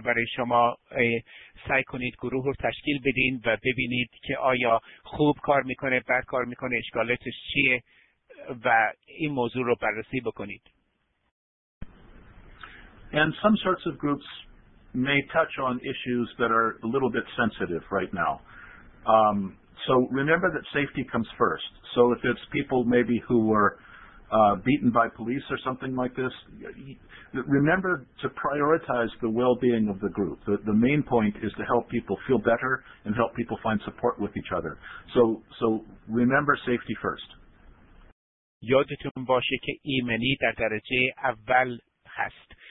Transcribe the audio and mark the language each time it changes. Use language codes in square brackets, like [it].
[fa] برای شما سعی کنید گروه رو تشکیل بدین و ببینید که آیا خوب کار میکنه، بد کار میکنه، اشکالاتش چیه و این موضوع رو بررسی بکنید. [en] And some sorts of groups may touch on issues that are a little bit sensitive right now. So remember that safety comes first. So if it's people maybe who were beaten by police or something like this, remember to prioritize the well-being of the group. The main point is to help people feel better and help people find support with each other. So remember safety first. [fa] یادتون باشه که ایمنی در درجه اول هست.